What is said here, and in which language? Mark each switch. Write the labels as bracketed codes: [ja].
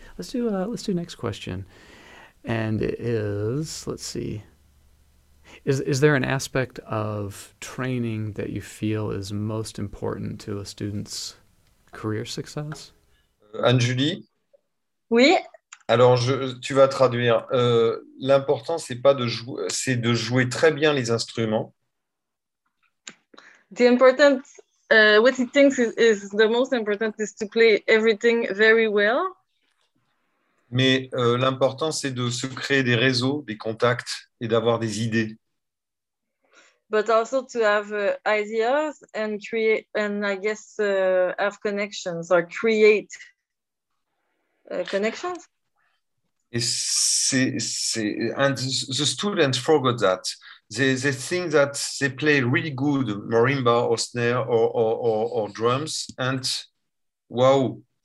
[en] Let's do next question. And it is, let's see, is there an aspect of training that you feel is most important to a student's career success? Anne-Julie? [fr] Oui? Alors, tu vas traduire. L'important, c'est pas de jouer, c'est de jouer très bien les instruments. [en] The important, what he thinks is the most important is to play everything very well. [fr] Mais l'important, c'est de se créer des réseaux, des contacts et d'avoir des idées. [en] But also to have ideas and create, and I guess have connections or create connections. [fr] Et c'est, [en] and the students forgot that. They think that they play really good marimba or snare or drums and wow.